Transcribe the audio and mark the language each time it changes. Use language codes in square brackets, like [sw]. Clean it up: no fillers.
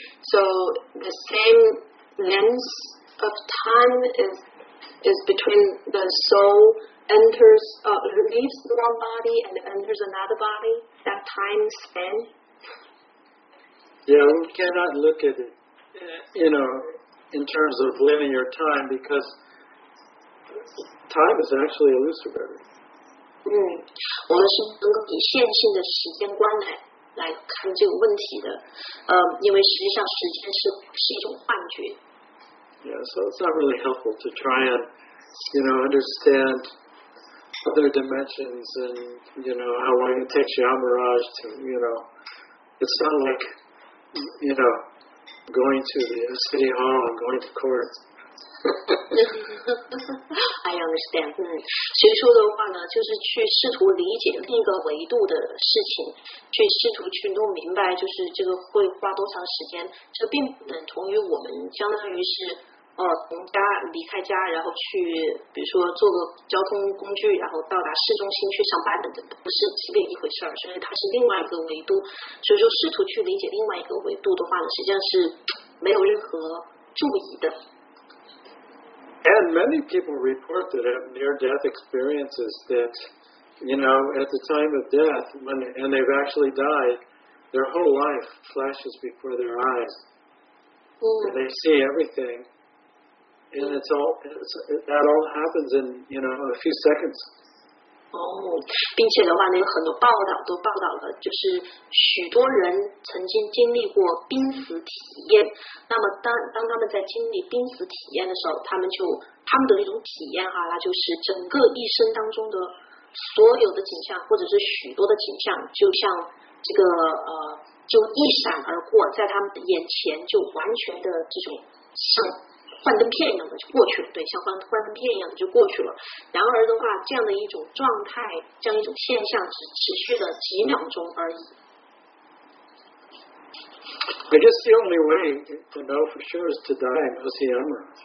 [en] So the same length of time is between the soul enters, leaves one body and enters another body, that time span? Yeah, we cannot look at it, you know, in terms of linear time, because time is actually illusory. [zh] 我们是能够以线性的时间观来看这个问题的，因为实际上时间是一种幻觉。 [en] Yeah, so it's not really helpful to try and, you know, understand other dimensions and, you know, how long it takes Yamaraj to, you know, it's not like, you know, going to the city hall and going to court. I understand. [zh] 所以说的话呢，就是去试图理解另一个维度的事情，去试图去弄明白，就是这个会花多长时间。这并不等同于我们相当于是从家离开家，然后去比如说坐个交通工具，然后到达市中心去上班等等，不是这个一回事儿。所以它是另外一个维度。所以说试图去理解另外一个维度的话呢，实际上是没有任何注意的。 [en] And many people report that have near-death experiences that, you know, at the time of death, and they've actually died, their whole life flashes before their eyes. And they see everything. and it's all that all happens in you know a few seconds. [zh] 并且的话呢，有很多报道都报道了，就是许多人曾经经历过濒死体验。那么当他们在经历濒死体验的时候，他们的那种体验哈，那就是整个一生当中的所有的景象，或者是许多的景象，就像这个就一闪而过，在他们的眼前就完全的这种像幻灯片一样的就过去了，对，像幻灯片一样的就过去了。然而的话，这样的一种状态，这样一种现象，只持续了几秒钟而已。 [en] I guess the only way to know for sure is to die and see Emma.